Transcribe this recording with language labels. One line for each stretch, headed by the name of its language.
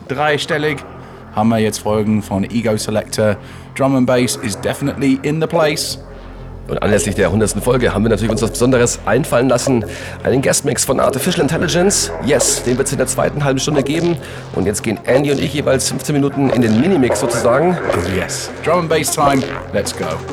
German: Dreistellig haben wir jetzt Folgen von Ego Selector.
English: Drum and Bass is definitely in the place.
German: Und anlässlich der 100. Folge haben wir natürlich uns was Besonderes einfallen lassen. Einen Guestmix von Artificial Intelligence. Yes, den wird es in der zweiten halben Stunde geben. Und jetzt gehen Andy und ich jeweils 15 Minuten in den Minimix sozusagen.
English: Oh yes, Drum and Bass Time, let's go.